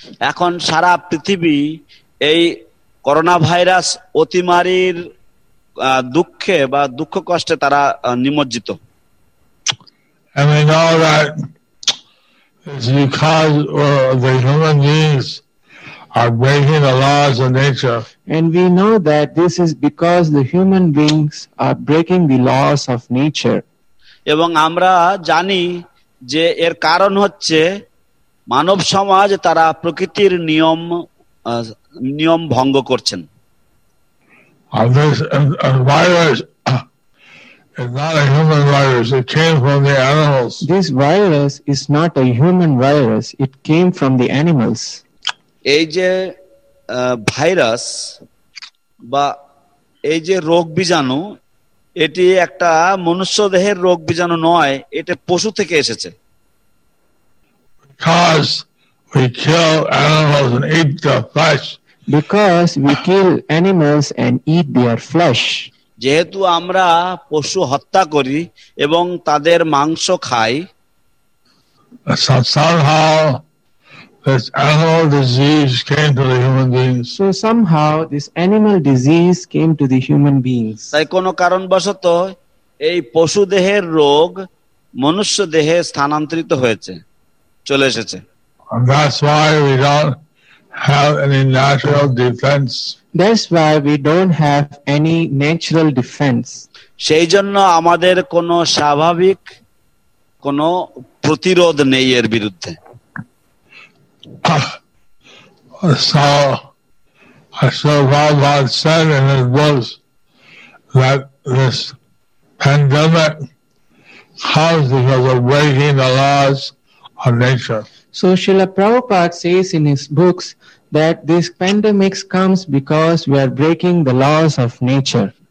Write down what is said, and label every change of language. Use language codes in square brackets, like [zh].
[bn] এখন সারা পৃথিবী এই করোনা ভাইরাস অতিমারির দুঃখে বা দুঃখ কষ্টে তারা নিমজ্জিত। [en] And we know that it's because the human beings are breaking the laws of nature. And we know that this is because the human beings are breaking the laws of nature. [bn] এবং আমরা জানি যে এর কারণ হচ্ছে মানব সমাজ তারা প্রকৃতির নিয়ম ভঙ্গ করছেন। [en] Virus is not a human virus. It came from the animals. This virus is not a human virus. It came from the animals. [bn] এই যে ভাইরাস বা এই যে রোগ বীজাণু এটি একটা মনুষ্য দেহের রোগ বীজাণু নয়, এটা পশু থেকে এসেছে। [en] Because we kill animals and eat the flesh. Because we kill animals and eat their flesh. [bn] যেহেতু আমরা পশু হত্যা করি এবং তাদের মাংস খাই, [en] somehow this animal disease came to the human beings. So somehow this animal disease came to the human beings. [bn] তাই কোনো কারণবশত এই পশু দেহের রোগ মনুষ্য দেহে স্থানান্তরিত হয়েছে, চলে এসেছে। [en] And that's why we don't have any natural defense. That's why we don't have any natural defense. [bn] সেই জন্য আমাদের কোনো স্বাভাবিক কোনো প্রতিরোধ নেই এর বিরুদ্ধে। [en] So Prabhupada said in his books that this pandemic comes because of breaking the laws of nature. So Srila Prabhupada says in his books that this pandemic comes because we are breaking the laws of nature.